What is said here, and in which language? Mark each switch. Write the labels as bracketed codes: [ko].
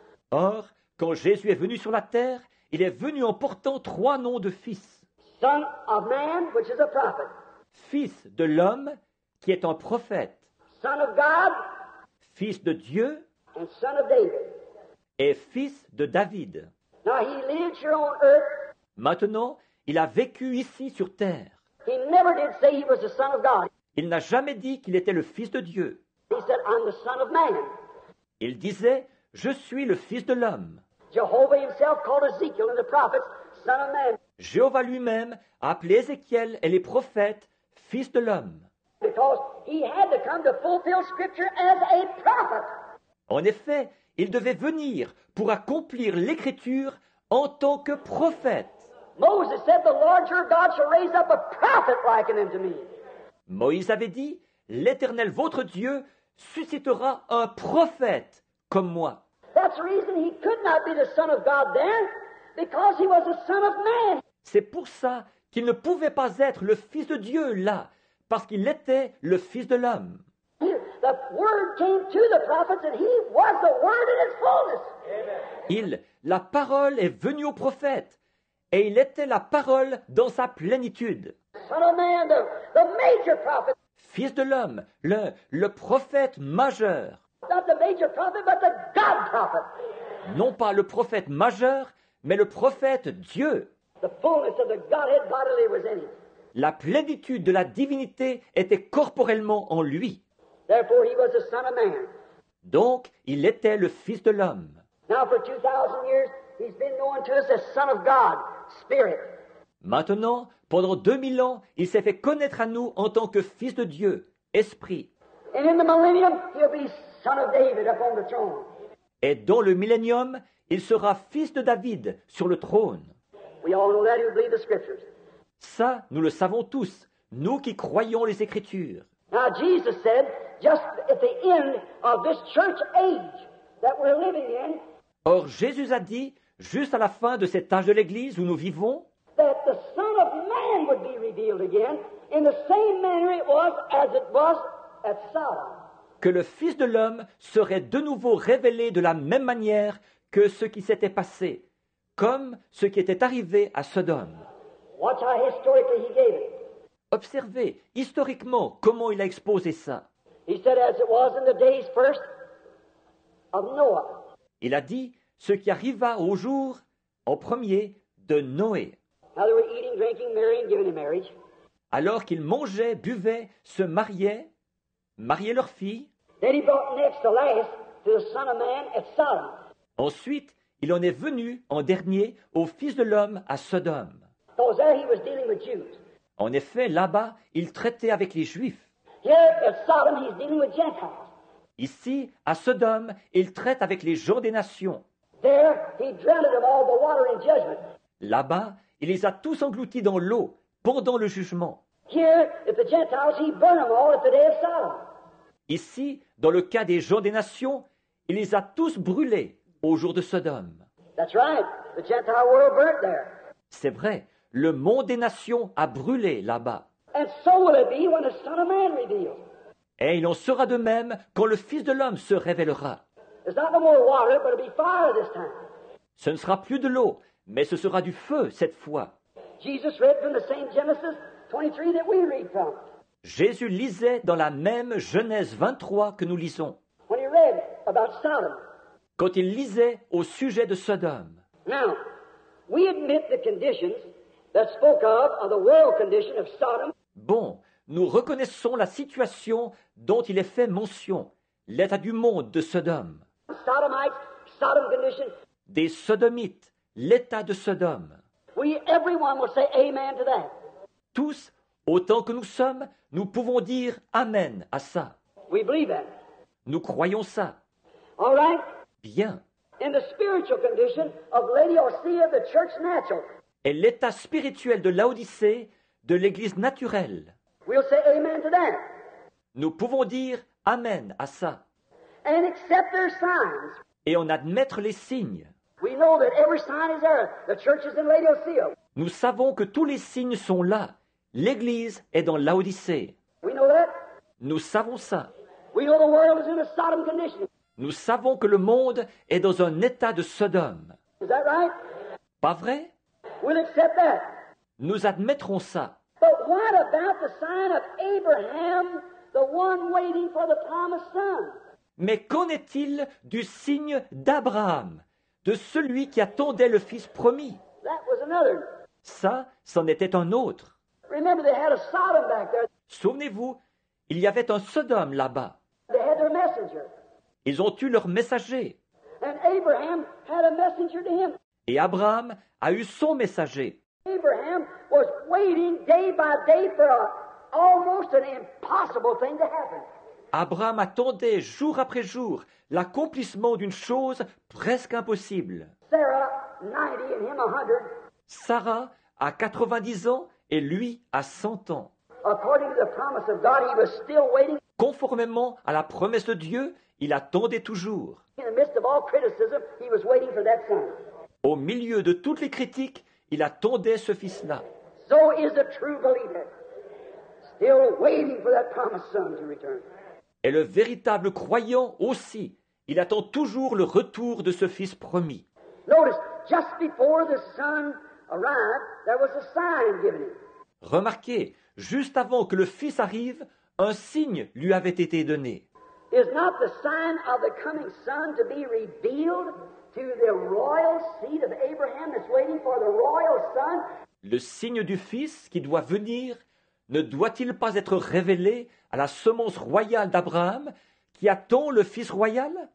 [fr] Or, quand Jésus est venu sur la terre, il est venu en portant trois noms de fils. [en] Son of man, which is a prophet. [fr] Fils de l'homme, qui est un prophète. [en] Son of God, [fr] fils de Dieu. [en] And son of David. [fr] Et fils de David. [en] Now he lived here on earth. [fr] Maintenant, il a vécu ici sur terre. [en] He never did say he was the son of God. [fr] Il n'a jamais dit qu'il était le fils de Dieu. [en] He said, I'm the son of man. [fr] Il disait, je suis le fils de l'homme. [en] Jehovah himself called Ezekiel and the prophets, son of man. [fr] Jéhovah lui-même a appelé Ézéchiel et les prophètes fils de l'homme. [en] Because he had to come to fulfill scripture as a prophet. [fr] En effet, il devait venir pour accomplir l'écriture en tant que prophète. [en] Moses said, "The Lord your God shall raise up a prophet like unto me." [fr] Moïse avait dit, l'Éternel votre Dieu suscitera un prophète comme moi. [en] That's the reason he could not be the son of God there, because he was the son of man. [fr] C'est pour ça qu'il ne pouvait pas être le fils de Dieu là, parce qu'il était le fils de l'homme. [en] The word came to the prophets, and he was the word in its fullness. Amen. [fr] La parole est venue aux prophètes. Et il était la parole dans sa plénitude. [en] Son of man, the major prophet. [fr] Fils de l'homme, le prophète majeur. [en] Not the major prophet, but the God prophet. [fr] Non pas le prophète majeur, mais le prophète Dieu. [en] The fullness of the Godhead bodily was in him. [fr] La plénitude de la divinité était corporellement en lui. [en] Therefore, he was the son of man. [fr] Donc, il était le fils de l'homme. [en] Now for 2,000 years, he's been known to us as Son of God, Spirit. [fr] Maintenant, pendant 2000 ans, il s'est fait connaître à nous en tant que Fils de Dieu, Esprit. [en] And in the millennium, he'll be Son of David upon the throne. [fr] Et dans le millénium, Il sera fils de David sur le trône. [en] We all know that, we believe the scriptures. [fr] Ça, nous le savons tous, nous qui croyons les Écritures. [en] Now Jesus said, just at the end of this church age that we're living in. [fr] Or Jésus a dit, juste à la fin de cet âge de l'Église où nous vivons, [en] that the Son of Man would be revealed again in the same manner it was as it was at Sodom. [fr] Que le Fils de l'homme serait de nouveau révélé de la même manière que ce qui s'était passé, comme ce qui était arrivé à Sodome. [en] Watch how historically he gave it. [fr] Observez historiquement comment il a exposé ça. [en] He said as it was in the days first of Noah. [fr] Il a dit ce qui arriva au jour en premier de Noé. [en] Now they were eating, drinking, marrying, giving in marriage. [fr] Alors qu'ils mangeaient, buvaient, se mariaient, mariaient leur fille. [en] Then he brought next the last to the Son of Man at Sodom. [fr] Ensuite, il en est venu en dernier au Fils de l'homme à Sodome. [en] Because there he was dealing with Jews. [fr] En effet, là-bas, il traitait avec les Juifs. [en] Here at Sodom, he's dealing with Gentiles. [fr] Ici, à Sodome, il traite avec les gens des nations. [en] There, he drowned them all the water in judgment. [fr] Là-bas, il les a tous engloutis dans l'eau pendant le jugement. [en] Here, at the Gentiles, he burned them all at the day of Sodom. [fr] Ici, dans le cas des gens des nations, il les a tous brûlés au jour de Sodome. [en] That's right. The Gentile world burnt there. [fr] C'est vrai, le monde des nations a brûlé là-bas. [en] And so will it be when the Son of Man reveals. [fr] Et il en sera de même quand le Fils de l'homme se révélera. [en] It's not no more water, but it'll be fire this time. [fr] Ce ne sera plus de l'eau, mais ce sera du feu cette fois. [en] Jesus read from the same Genesis 23 that we read from. [fr] Jésus lisait dans la même Genèse 23 que nous lisons. [en] When he read about Sodom. [fr] Quand il lisait au sujet de Sodome. [en] Now, we admit the conditions that spoke of are the world condition of Sodom. [fr] Bon, nous reconnaissons la situation dont il est fait mention, l'état du monde de Sodome. [en] Sodomites, Sodom condition. [fr] Des Sodomites, l'état de Sodome. [en] We, everyone, will say amen to that. [fr] Tous, autant que nous sommes, nous pouvons dire amen à ça. [en] We believe that. [fr] Nous croyons ça. [en] All right. [fr] Bien. [en] In the spiritual condition of Laodicea, the church natural. [fr] Et l'état spirituel de Laodicée, de l'église naturelle. [en] We'll say amen to that. [fr] Nous pouvons dire amen à ça. [en] And accept their signs. [fr] Et en admettre les signes. [en] We know that every sign is there. The church is in Laodicea. [fr] Nous savons que tous les signes sont là. L'église est dans Laodicée. [en] We know that. [fr] Nous savons ça. [en] We know the world is in a Sodom condition. [fr] Nous savons que le monde est dans un état de Sodome. [en] Is that right? [fr] Pas vrai? [en] We'll accept that. [fr] Nous admettrons ça. [en] But what about the sign of Abraham, the one waiting for the promised son? [fr] Mais qu'en est-il du signe d'Abraham, de celui qui attendait le fils promis? [en] That was another. [fr] Ça, c'en était un autre. [en] Remember, they had a Sodom back there. [fr] Souvenez-vous, il y avait un Sodome là-bas. [en] They had their messenger. [fr] Ils ont eu leur messager. [en] And Abraham had a messenger to him. [fr] Et Abraham a eu son messager. [en] Abraham was waiting day by day for a, almost an impossible thing to happen. [fr] Abraham attendait jour après jour l'accomplissement d'une chose presque impossible. [en] Sarah, 90, and him 100. [fr] Sarah a 90 ans et lui a 100 ans. [en] According to the promise of God, he was still waiting. [fr] Conformément à la promesse de Dieu, il attendait toujours. [en] In the midst of all criticism, he was waiting for that son. [fr] Au milieu de toutes les critiques, il attendait ce fils-là. [en] So is a true believer, still waiting for that promised son to return. [fr] Et le véritable croyant aussi, il attend toujours le retour de ce fils promis. [en] Notice, just before the son arrived, there was a sign given him. [fr] Remarquez, juste avant que le fils arrive, un signe lui avait été donné. [en] Is not the sign of the coming son to be revealed to the royal seed of Abraham that's waiting for the royal son? [fr] Le signe du fils qui doit venir ne doit-il pas être révélé à la semence royale d'Abraham qui attend le fils royal?